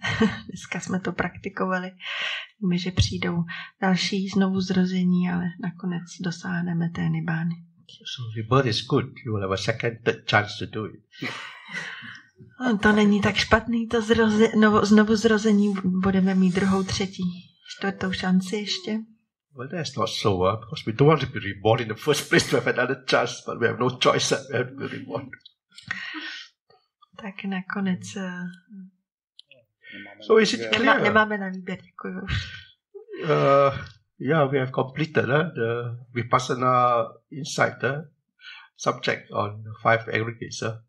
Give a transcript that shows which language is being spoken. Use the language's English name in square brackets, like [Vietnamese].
[Czech] Dneska jsme to praktikovali. Víme, že přijdou další znovu zrození, ale nakonec dosáhneme té nibány. [English] So rebirth is good. You will have a second, third chance to do it. [Czech] To není tak špatný, to znovu zrození. Budeme mít druhou, třetí, čtvrtou šanci ještě. [English] Well, that's not so, because we don't want to be reborn in the first place to have another chance, but we have no choice, we have to be reborn. [Czech] Tak nakonec. [English] So is it clear? [Czech] Nemáme na výběr, děkuju. [English] Yeah, we have completed the Vipassana insight subject on five aggregates.